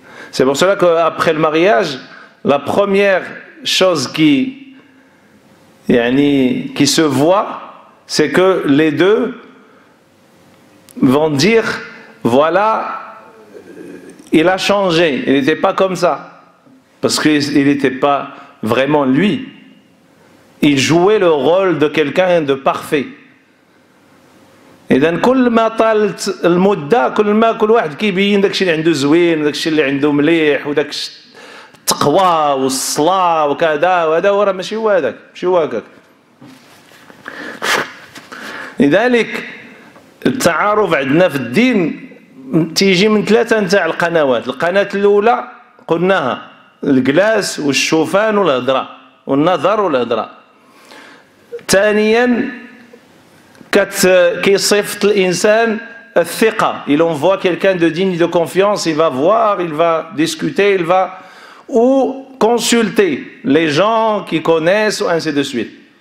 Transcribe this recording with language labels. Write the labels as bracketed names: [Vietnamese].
[French] C'est pour cela qu'après le mariage, la première chose qui se voit, c'est que les deux vont dire « Voilà, il a changé, il n'était pas comme ça. » Parce qu'il n'était pas vraiment lui. Il jouait le rôle de quelqu'un de parfait. [Arabic] إذن كل ما طالت المدة، كل ما كل واحد كيبين داكشي اللي عنده زوين وداكشي اللي عنده مليح وداكشي التقوى والصلاة وكذا، وهذا هو راه ماشي هو هذاك، ماشي هو هكاك. لذلك التعارف عندنا في الدين تيجي من ثلاثة نتاع القنوات. القناة الأولى قلناها الجلاس والشوفان والهضرة والنظر والهضرة. ثانيا كيصيفط الإنسان الثقة، [French] il envoie quelqu'un de digne de confiance, il va voir, il va discuter, il va ou consulter les gens qui connaissent ou ainsi de suite.